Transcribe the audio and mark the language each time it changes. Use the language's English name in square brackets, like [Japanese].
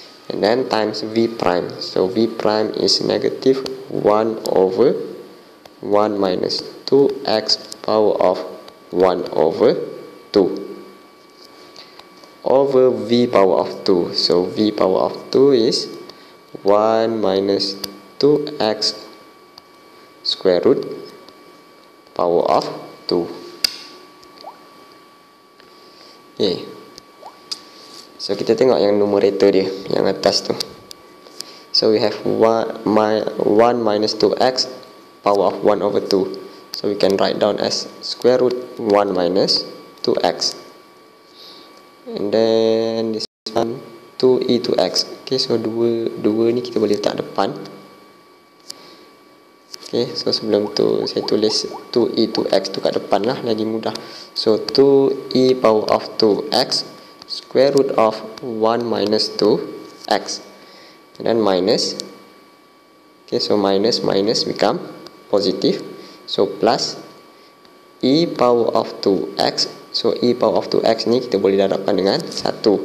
[English] and then times v prime, so v prime is negative 1 over 1 minus 2 x power of 1 over 2 over v power of 2. So v power of 2 is 1 minus 2 x square root power of 2. Okay. [Malay] So kita tengok yang numerator dia, yang atas tu. [English] So we have 1 minus 2 x power of 1 over 2. So we can write down as square root 1 minus 2 x. And then this one 2e to x. [Malay] Okay, so 2 ni kita boleh letak depan. Okay, so sebelum tu saya tulis 2e to x tu kat depan lah, lagi mudah. [English] So 2e power of 2x square root of 1 minus 2x. And then minus. Okay, so minus minus become positive. So plus e power of 2x. [Malay] So [English] e power of 2x [Malay] ni kita boleh darabkan dengan 1.